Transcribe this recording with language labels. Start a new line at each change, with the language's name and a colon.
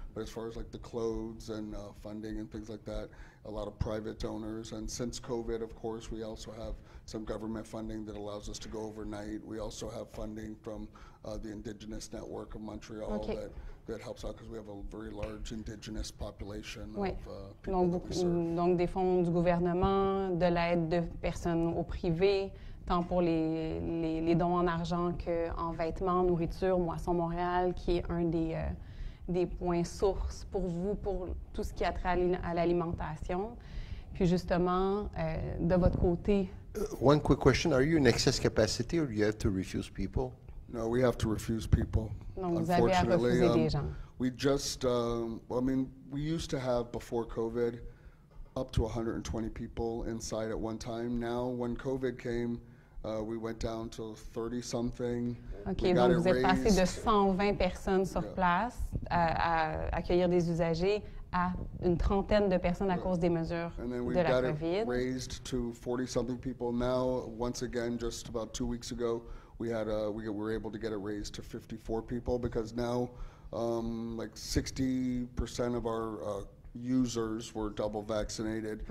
English: But as far as like the clothes and funding and things like that, a lot of private donors. And since COVID, of course, we also have some government funding that allows us to go overnight. We also have funding from the Indigenous Network of Montreal okay. that helps out because we have a very large Indigenous population
French: oui.
English: of people
French: donc,
English: that we serve.
French: Donc des fonds du gouvernement, de l'aide de personnes au privé, tant pour les dons en argent qu'en vêtements, nourriture, Moisson Montréal, qui est un des points sources pour vous, pour tout ce qui a trait à l'alimentation. Puis justement, de votre côté,
English: One quick question, are you in excess capacity or do you have to refuse people? No, we have to refuse people, unfortunately.
French: Vous avez à refuser des gens.
English: We just, we used to have, before COVID, up to 120 people inside at one time. Now, when COVID came, we went down to 30-something.
French: OK, donc vous êtes passé de 120 personnes sur place à accueillir des usagers à une trentaine de personnes à cause des mesures
English: and then And then we got it raised to 40-something people. Now, once again, just about 2 weeks ago, we were able to get it raised to 54 people because now, 60% of our users were double vaccinated.